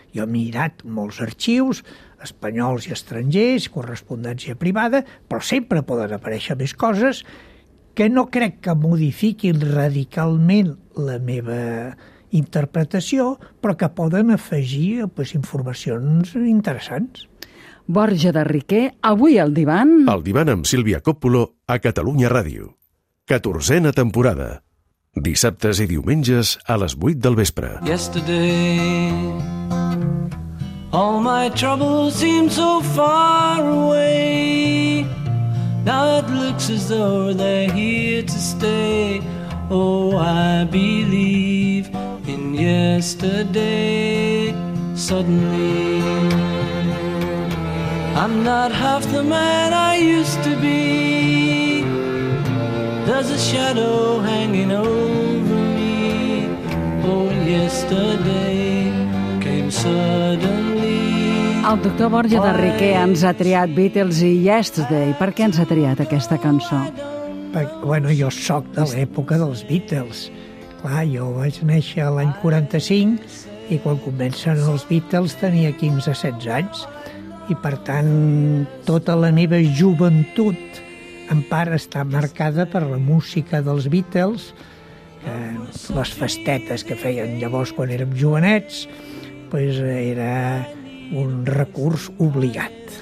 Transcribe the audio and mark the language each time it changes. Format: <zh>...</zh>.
<ca>Jo he mirat molts arxius, espanyols i estrangers, correspondència privada, però sempre poden aparèixer més coses que no crec que modifiquin radicalment la meva interpretació, però que poden afegir informacions interessants. Borja de Riquer, avui al divan. El divan amb Sílvia Coppolo a Catalunya Ràdio. 14a temporada. Dissabtes i diumenges a les 8 del vespre.</ca> <en>Yesterday, all my troubles seem so far away. Now it looks as though they're here to stay. Oh, I believe in yesterday. Suddenly, I'm not half the man I used to be. There's a shadow hanging over me. Oh, yesterday came suddenly.</en> <ca>El doctor Borja de Riquer ens ha triat Beatles i Yesterday. Per què ens ha triat aquesta cançó? Bueno, jo sóc de l'època dels Beatles. Clar, jo vaig néixer l'any 45 i quan comencen els Beatles tenia 15-16 anys. I, per tant, tota la meva joventut en part està marcada per la música dels Beatles, les festetes que feien llavors quan érem jovenets, pues era un recurs obligat.</ca>